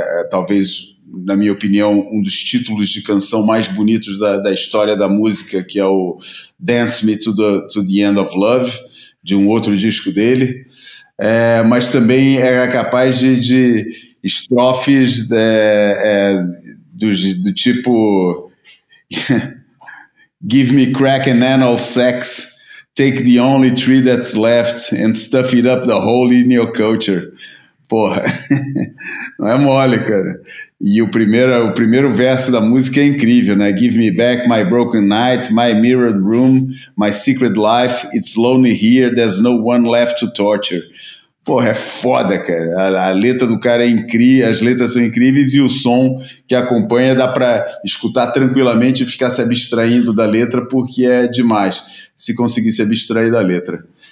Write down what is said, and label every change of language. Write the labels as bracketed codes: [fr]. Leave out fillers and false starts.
[pt] talvez, na minha opinião, um dos títulos de canção mais bonitos da história da música, que é o Dance Me to the End of Love, de um outro disco dele, mas também é capaz de estrofes do tipo [en] Give me crack and anal sex, take the only tree that's left and stuff it up the hole in your culture. [pt] Porra, não é mole, cara. E o primeiro verso da música é incrível, né? [en] Give me back my broken night, my mirrored room, my secret life. It's lonely here, there's no one left to torture. [pt] Porra, é foda, cara. A letra do cara é incrível, as letras são incríveis e o som que acompanha dá pra escutar tranquilamente e ficar se abstraindo da letra, porque é demais se conseguir se abstrair da letra.